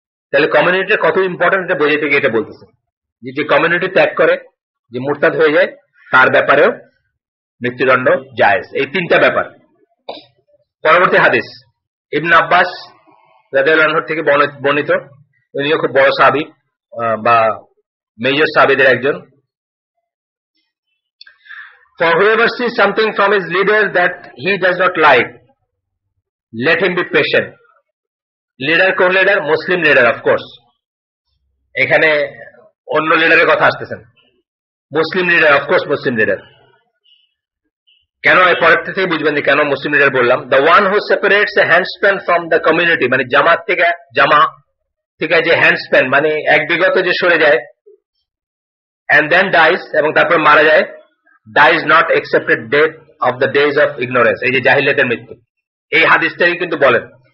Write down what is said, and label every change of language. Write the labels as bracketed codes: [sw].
[bn] তাহলে কমিউনিটির কত ইম্পর্টেন্ট এটা বোঝাতে গিয়ে এটা বলতেছে যে যে কমিউনিটি ত্যাগ করে যে মুরতাদ হয়ে যায় তার ব্যাপারেও মৃত্যুদণ্ড জায়েজ, এই তিনটা ব্যাপার। পরবর্তী হাদিস ইবনে আব্বাস রাদিয়াল্লাহু আনহু থেকে বর্ণিত, উনিও খুব বড় সাহাবী বা মেজর সাহাবীদের একজন। [en] For whoever sees something from his leader that he does not like, let him be patient. Leader, [bn] কোন [en] leader? Muslim leader, of course. [bn] এখানে অন্য লিডারের কথা আসতেছেন, মুসলিম লিডার, অফকোর্স মুসলিম লিডার। কেন এই পরের থেকে বুঝবেন যে কেন মুসলিম লিডার বললাম। [en] the one who separates a hand span from the community, [bn] মানে জামাত থেকে, জামা থেকে যে হ্যান্ড স্প্যান মানে এক বিগত যে সরে যায়, [en] and then dies, [bn] এবং তারপর মারা যায়, [en] dies not accepted death of the days of ignorance, [bn] এই যে জাহিলিয়াতের মৃত্যু, এই হাদিসটাই কিন্তু বলেন।